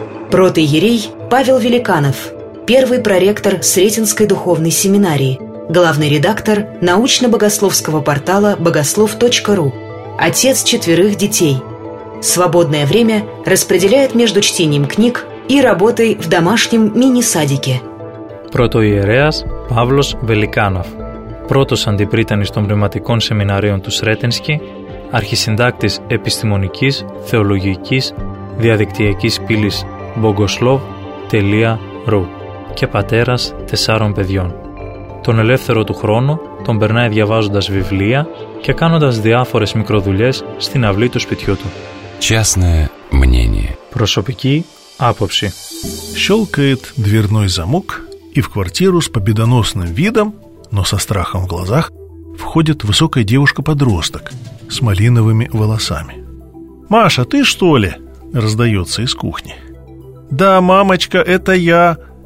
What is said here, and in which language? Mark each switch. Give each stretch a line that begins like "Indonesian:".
Russian: Протоиерей Павел Великанов, первый проректор Сретенской духовной семинарии, главный редактор научно-богословского портала богослов.ру, отец четверых детей. Свободное время распределяет между чтением книг и работой в домашнем мини-садике.
Greek: Протоиереас Павлос Великанов, πρώτος αντιπρίτανης των πνευματικών σεμιναρίων του Σρέτενσκι, αρχισυντάκτης επιστημονικής θεολογικής διαδικτυακής πύλης bogoslov.ru και πατέρας τεσσάρων παιδιών. Τον ελεύθερο του χρόνο τον περνάει διαβάζοντας βιβλία και κάνοντας διάφορες μικροδουλειές στην αυλή του σπιτιού του.
Russian: Частное мнение.
Greek: Προσωπική άποψη.
Russian: Щелкает дверной замок, и в квартиру с победоносным видом, но со страхом в глазах, входит высокая девушка-подросток с малиновыми волосами. «Маша, ты что ли?» — раздается из кухни. «Да, мамочка, это я!»